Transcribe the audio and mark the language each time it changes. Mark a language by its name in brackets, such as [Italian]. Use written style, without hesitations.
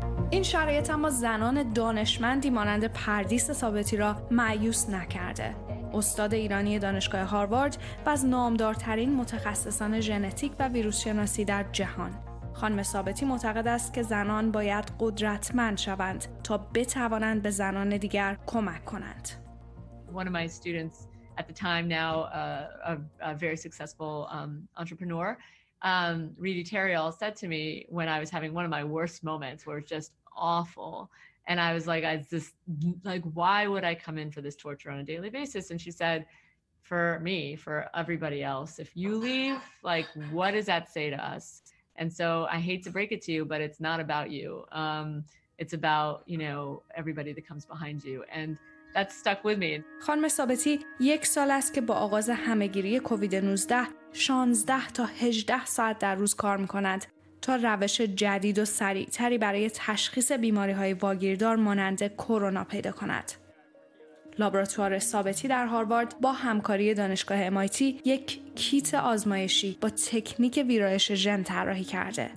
[Persian] این شرایط اما زنان دانشمندی مانند پردیس ثابتی را مایوس نکرده. استاد ایرانی دانشگاه هاروارد و از نامدارترین متخصصان ژنتیک و ویروس شناسی در جهان، خانم ثابتی معتقد است که زنان باید قدرتمند شوند تا بتوانند به زنان دیگر کمک کنند. [English] One of my students at the time now a very successful entrepreneur Reedy Terrial said to me when I was having one of my worst moments where it was just awful and I was like, why would I come in for this torture on a daily basis? And she said, for me, for everybody else, if you leave, like, what does that say to us? And so I hate to break it to you, but it's not about you. It's about, you know, everybody that comes behind you. And that stuck with me. [Persian] خانم ثابتی یک سال است که با آغاز همه‌گیری کووید 19 16 تا 18 ساعت در روز کار می‌کند تا روش جدید و سریع‌تری برای تشخیص بیماری‌های واگیردار مانند کرونا پیدا کند. لابراتوار ثابتی در هاروارد با همکاری دانشگاه MIT یک کیت آزمایشی با تکنیک ویرایش ژن طراحی کرده.